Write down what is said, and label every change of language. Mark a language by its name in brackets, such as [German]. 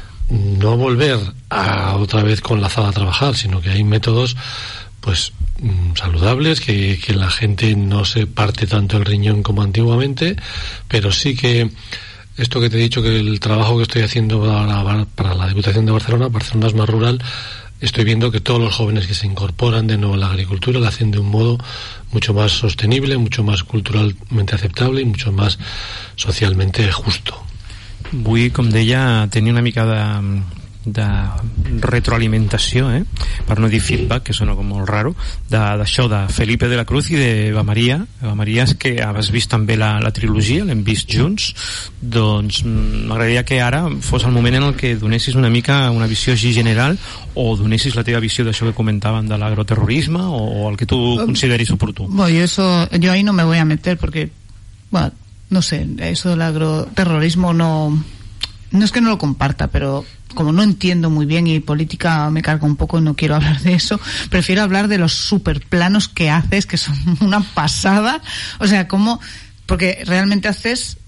[Spanish] No volver a otra vez con la azada a trabajar, sino que hay métodos pues saludables, que la gente no se parte tanto el riñón como antiguamente, pero sí que esto que te he dicho, que el trabajo que estoy haciendo para la Diputación de Barcelona, Barcelona es más rural, estoy viendo que todos los jóvenes que se incorporan de nuevo a la agricultura la hacen de un modo mucho más sostenible, mucho más culturalmente aceptable y mucho más socialmente justo. [Catalan] Vull, com deia, tenir una mica de retroalimentació, per no dir feedback, que sona com molt raro, d'això de Felipe de la Cruz i d'Eva Maria. Eva Maria, és que has vist també la trilogia, l'hem vist junts, doncs m'agradaria que ara fos el moment en el que donessis una mica una visió així general, o donessis la teva visió d'això que comentàvem de l'agroterrorisme, o el que tu consideris oportú. [Spanish] Jo ahí no me voy a meter, porque, bueno, no sé, eso del agroterrorismo no es que no lo comparta, pero como no entiendo muy bien y política me cargo un poco y no quiero hablar de eso, prefiero hablar de los superplanos que haces, que son una pasada. O sea, cómo, porque realmente haces